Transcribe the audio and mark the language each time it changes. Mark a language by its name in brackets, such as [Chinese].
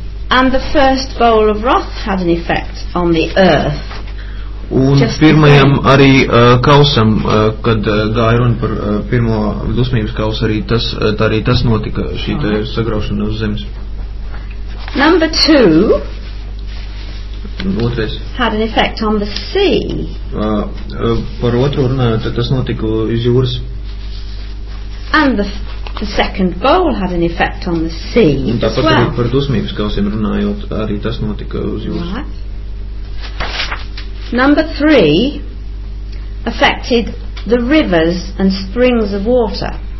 [English] And the first bowl of wrath had an effect on the earth. [Latvian] Un pirmajam arī kausam, kad gāja runa par pirmo dusmības kausu, arī tas, arī tas notika, šī tā sagraušana uz zemes. [English] Number two had an effect on the sea. [Latvian] Par otru runāju, tad tas notika uz jūras. [English] And the second bowl had an effect on the sea. [Latvian] Un tāpat arī par dusmības kausiem runājot, arī tas notika uz jūras. [English] Right. Number three affected the rivers and springs of water.